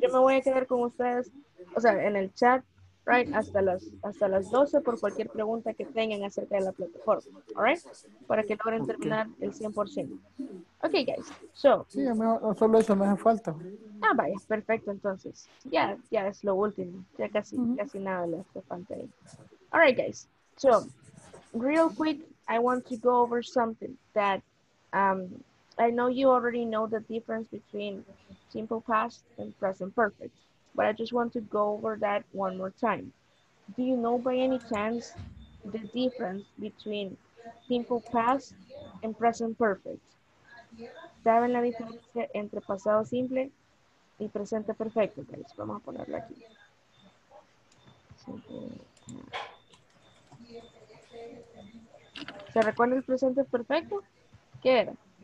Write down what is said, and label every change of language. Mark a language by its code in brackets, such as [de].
[es] Yo me voy a quedar con ustedes, o sea, en el chat. Right, hasta las 12 por cualquier pregunta que tengan acerca de la plataforma, [en] all right? [es] Para que logren terminar el 100%. [en] Okay, guys. So, [es] sí, solo eso me hace falta. Ah, vaya, perfecto entonces. Ya, ya es lo último. Ya casi casi nada le hace falta ahí. [en] All right, guys. So, real quick, I want to go over something that I know you already know the difference between simple past and present perfect. But I just want to go over that one more time. Do you know by any chance the difference between simple past and present perfect? [es] ¿Saben la diferencia entre pasado simple y presente perfecto? Guys, vamos a ponerlo aquí. Simple. ¿Se recuerda el presente perfecto? ¿Qué era?